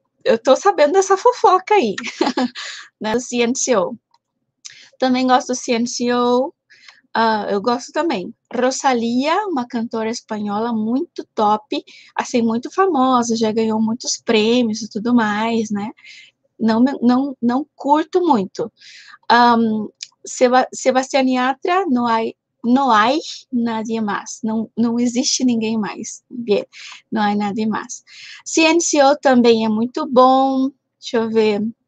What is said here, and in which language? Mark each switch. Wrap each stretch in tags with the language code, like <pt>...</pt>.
<pt>Eu tô sabendo dessa fofoca aí, né? Do CNCO. Também gosto do CNCO. Eu gosto também. Rosalía, uma cantora espanhola muito top, assim, muito famosa, já ganhou muitos prêmios e tudo mais, né? Não curto muito.</pt> <es>Sebastián Yatra, no hay nadie más.</es> <pt>Não existe ninguém mais.</pt> <es>Bien, no hay nadie más.</es> <pt>CNCO também é muito bom. Deixa eu ver.</pt>